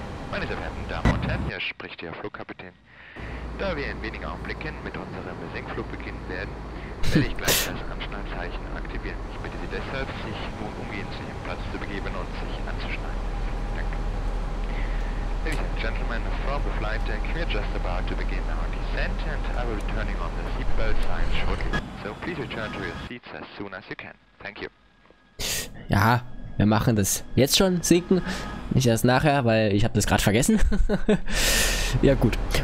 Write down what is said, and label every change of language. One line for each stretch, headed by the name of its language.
German: Meine sehr verehrten Damen und Herren, hier spricht Ihr Flugkapitän. Da wir in wenigen Augenblicken mit unserem Senkflug beginnen werden, werde ich gleich das Anschnallzeichen aktivieren. Ich bitte Sie deshalb, sich nun umgehend zu Ihrem Platz zu begeben und sich anzuschnallen. Danke.
English: Ladies and Gentlemen, from the flight deck, we are just about to begin our descent and I will be turning on the seatbelt sign shortly. So please return to your seats as soon as you can. Thank you.
German: Ja, wir machen das jetzt schon, sinken. Nicht erst nachher, weil ich habe das gerade vergessen. Ja gut.